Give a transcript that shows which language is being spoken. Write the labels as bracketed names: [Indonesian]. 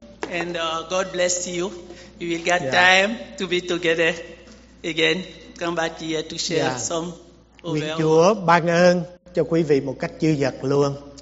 [English] And God bless you. You will get time to be together again. Come back here to share some over. [Vietnamese] Nguyện Chúa ban ơn cho quý vị một cách dư dật luôn.